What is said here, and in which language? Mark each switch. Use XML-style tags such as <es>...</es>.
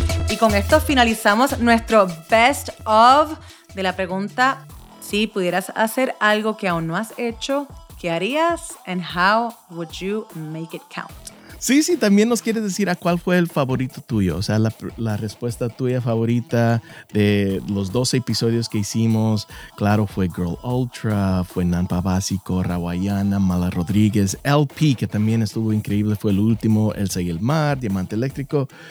<es>Y con esto finalizamos nuestro Best of de la pregunta: si pudieras hacer algo que aún no has hecho, ¿qué harías?</es> <en>And how would you make it count?</en> <es>Sí, también nos quieres decir a cuál fue el favorito tuyo, o sea, la respuesta tuya favorita de los 12 episodios que hicimos. Claro, fue Girl Ultra, fue Nanpa Básico, Rawayana, Mala Rodríguez, LP, que también estuvo increíble, fue el último, Elsa y el Mar, Diamante Eléctrico.</es>